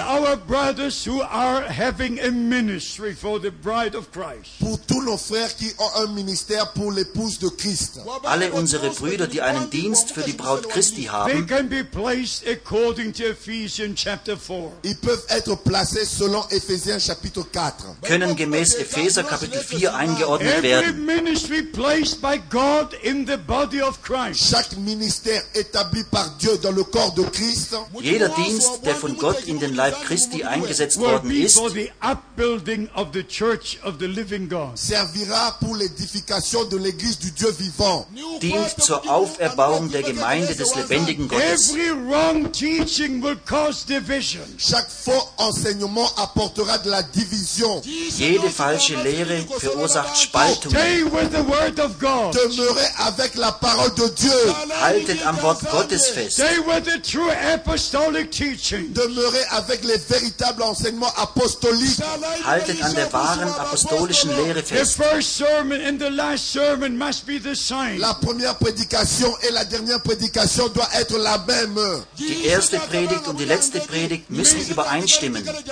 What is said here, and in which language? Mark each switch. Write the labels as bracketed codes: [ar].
[en] All our brothers who are having a ministry for the bride of Christ. [fr] Pour tous nos frères qui ont un ministère pour l'épouse de Christ. [de] Alle unsere Brüder, die einen Dienst für die Braut Christi haben. [en] They can be placed according to Ephesians chapter 4. [fr] Ils peuvent être placés selon Ephésiens chapitre 4. [de] Können gemäß Epheser Kapitel 4 eingeordnet werden. [en] Every ministry placed by God in the body of Christ. [fr] Chaque ministère établi par Dieu dans le corps de Christ. [de] Jeder Dienst, der von Gott in den Leib Christi eingesetzt worden ist, [en] for the upbuilding of the church of the living God. [fr] Servira pour l'édification de l'église du Dieu vivant. [de] Dient zur Auferbauung der Gemeinde des lebendigen Gottes. [en] Every wrong teaching will cause division. [fr] Chaque faux enseignement apportera de la division. [de] Jede falsche Lehre verursacht Spaltung. [en] Stay with the word of God. [fr] Avec la parole de Dieu. [de] Haltet am Wort Gottes fest. [en] They were the true apostolic teaching. [fr] Demeurez avec les véritables enseignements apostoliques. [de] Haltet an der wahren apostolischen Lehre fest. [en] The first sermon and the last sermon must be the same. [fr] La première prédication et la dernière prédication doit être la même. [de] Die erste Predigt und die letzte Predigt müssen übereinstimmen.